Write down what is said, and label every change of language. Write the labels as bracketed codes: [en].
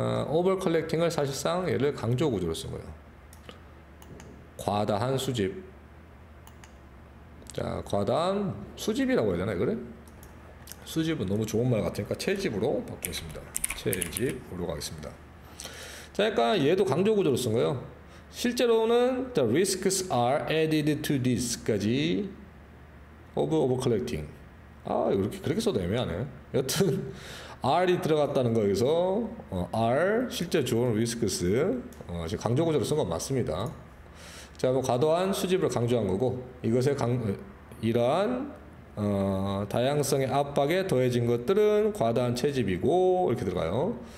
[ko] overcollecting을 사실상 얘를 강조 구조로 쓴 거예요. 과다한 수집. 자, 과다한 수집이라고 해야 되나요? 그래? 수집은 너무 좋은 말 같으니까 채집으로 바꾸겠습니다. 채집으로 가겠습니다. 자, 약간 얘도 강조 구조로 쓴 거예요. 실제로는 [en] the risks are added to this [ko] 까지 [en] of overcollecting. [ko] 아, 이렇게 그렇게 써도 애매하네. 여튼 R이 들어갔다는 거, 여기서 R 실제 주어는 risks, 지금 강조 구조로 쓴 건 맞습니다. 자, 뭐 과도한 수집을 강조한 거고, 이것의 이러한 다양성의 압박에 더해진 것들은 과다한 채집이고, 이렇게 들어가요.